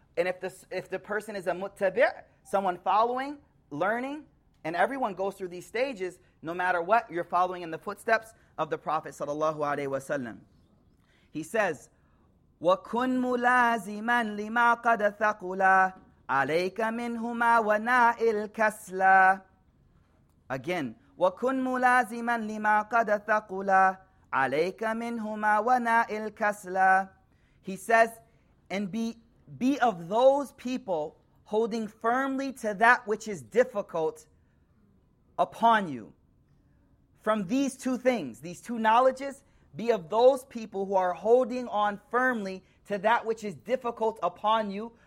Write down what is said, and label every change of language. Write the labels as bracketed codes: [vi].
[en] And if the person is a muttabi', someone following, learning, and everyone goes through these stages, no matter what, you're following in the footsteps of the Prophet sallallahu alaihi wasallam. He says, [ar] wa kun mulaziman lima qad thaqula عَلَيْكَ مِنْهُمَا وَنَاءِ الْكَسْلَى. [en] Again, [ar] وَكُنْ مُلَازِمًا لِمَا قَدَ ثَقُلَى عَلَيْكَ مِنْهُمَا وَنَاءِ الْكَسْلَى. [en] He says, and be of those people holding firmly to that which is difficult upon you. From these two things, these two knowledges, be of those people who are holding on firmly to that which is difficult upon you.